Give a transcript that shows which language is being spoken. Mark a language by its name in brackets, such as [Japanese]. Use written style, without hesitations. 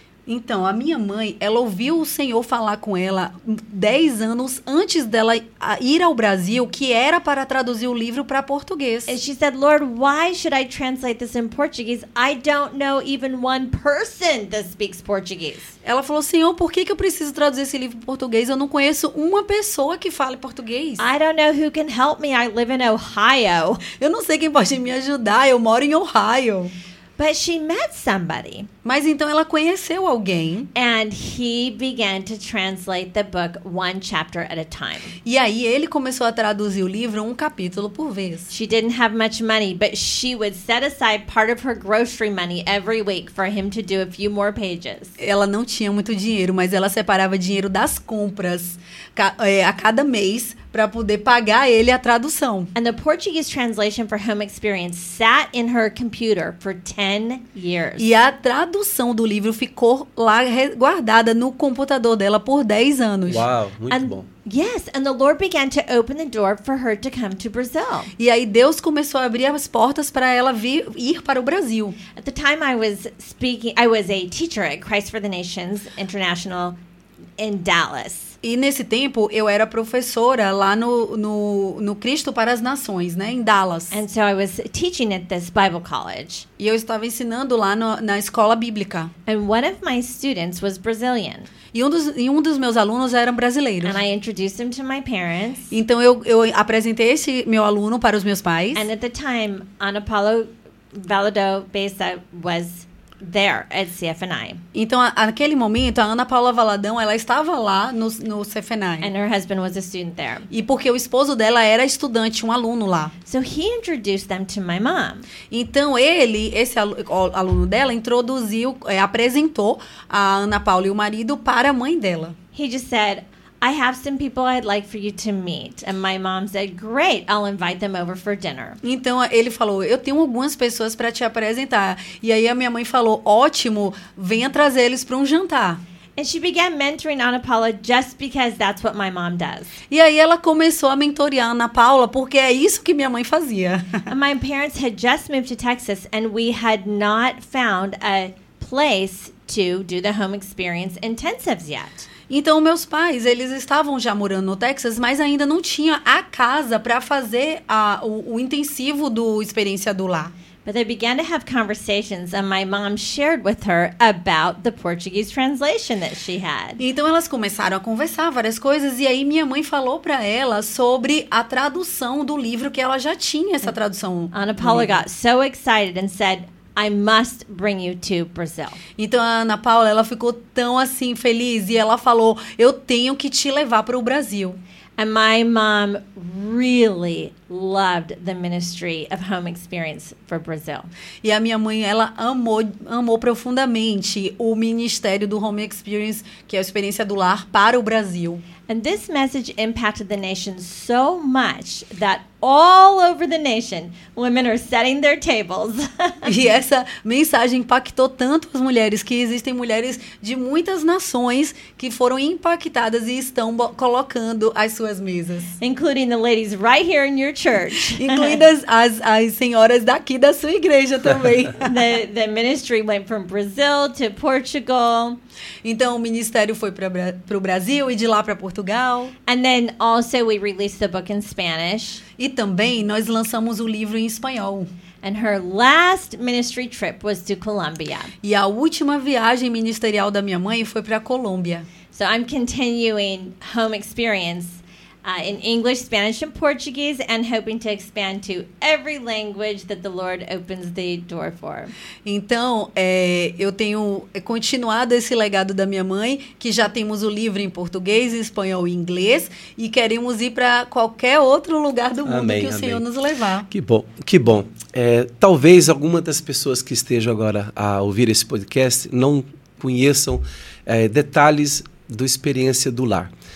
[Portuguese] Então, a minha mãe, ela ouviu o Senhor falar com ela 10 anos antes dela ir ao Brasil, que era para traduzir o livro para português. [English] And she said, Lord, why should I translate this in Portuguese? I don't know even one person that speaks Portuguese. [Portuguese] Ela falou, Senhor, por que eu preciso traduzir esse livro para português? Eu não conheço uma pessoa que fale português. [English] I don't know who can help me. I live in Ohio. [Portuguese] Eu não sei quem pode me ajudar. Eu moro em Ohio. [English] But she met somebody. [Portuguese] Mas então ela conheceu alguém. [English] And he began to translate the book one chapter at a time. [Portuguese] E aí ele começou a traduzir o livro um capítulo por vez. [English] She didn't have much money, but she would set aside part of her grocery money every week for him to do a few more pages. [Portuguese] Ela não tinha muito dinheiro, mas ela separava dinheiro das compras a cada mês para poder pagar ele a tradução. [English] And the Portuguese translation for Home Experience sat in her computer for 10 years. [Portuguese] E a tradução do livro ficou lá guardada no computador dela por 10 anos. Uau, muito bom. [English] Yes, and the Lord began to open the door for her to come to Brazil. [Portuguese] E aí Deus começou a abrir as portas para ela ir para o Brasil. [English] At the time I was a teacher at Christ for the Nations International in Dallas. [Portuguese] E nesse tempo eu era professora lá no Cristo para as Nações, né, em Dallas. [English] And so I was teaching at this Bible college. [Portuguese] E eu estava ensinando lá na escola bíblica. [English] And one of my students was Brazilian. [Portuguese] E um dos meus alunos era brasileiro. [English] And I introduced him to my parents. [Portuguese] Então eu apresentei esse meu aluno para os meus pais. [English] And at the time, Ana Paula Valadão Bessa was there at CFNI. [Portuguese] Então, naquele momento, a Ana Paula Valadão, ela estava lá no CFNI. [English] And her husband was a student there. [Portuguese] E porque o esposo dela era estudante, um aluno lá. [English] So he introduced them to my mom. [Portuguese] Então, ele, esse aluno dela, apresentou a Ana Paula e o marido para a mãe dela. [English] He just said, I have some people I'd like for you to meet. And my mom said, great, I'll invite them over for dinner. [Portuguese] Então, ele falou, eu tenho algumas pessoas para te apresentar. E aí a minha mãe falou, ótimo, venha trazer eles para jantar. [English] And she began mentoring Ana Paula just because that's what my mom does. [Portuguese] E aí ela começou a mentorear Ana Paula porque é isso que minha mãe fazia. [English] And my parents had just moved to Texas and we had not found a place to do the home experience intensives yet. [Portuguese] Então, meus pais, eles estavam já morando no Texas, mas ainda não tinha a casa para fazer o intensivo do Experiência do Lar. [English] But they began to have conversations and my mom shared with her about the Portuguese translation that she had. [Portuguese] Então elas começaram a conversar várias coisas e aí minha mãe falou para ela sobre a tradução do livro que ela já tinha essa tradução. [English] Ana Paula got so excited and said, I must bring you to Brazil. [Portuguese] Então a Ana Paula, ela ficou tão assim feliz e ela falou, eu tenho que te levar para o Brasil. [English] And my mom really loved the ministry of home experience for Brazil. [Portuguese] E a minha mãe, ela amou profundamente o ministério do home experience, que é a experiência do lar, para o Brasil. [English] And this message impacted the nation so much that all over the nation, women are setting their tables. [Portuguese] E essa mensagem impactou tanto as mulheres que existem mulheres de muitas nações que foram impactadas e estão colocando as suas mesas. [English] Including the ladies right here in your church. [Portuguese] Incluídas as senhoras daqui da sua igreja também. [English] The ministry went from Brazil to Portugal. [Portuguese] Então o ministério foi para o Brasil e de lá para Portugal. [English] And then also we released the book in Spanish. [Portuguese] E também nós lançamos o livro em espanhol. [English] And her last ministry trip was to Colombia. [Portuguese] E a última viagem ministerial da minha mãe foi para a Colômbia. [English] So I'm continuing home experience in English, Spanish, and Portuguese, and hoping to expand to every language that the Lord opens the door for. [Portuguese] Então, eu tenho continuado esse legado da minha mãe, que já temos o livro em português, espanhol e inglês, e queremos ir para qualquer outro lugar do mundo amém, que o amém. Senhor nos levar. Que bom, que bom. Talvez alguma das pessoas que estejam agora a ouvir esse podcast não conheçam detalhes do Experiência do Lar.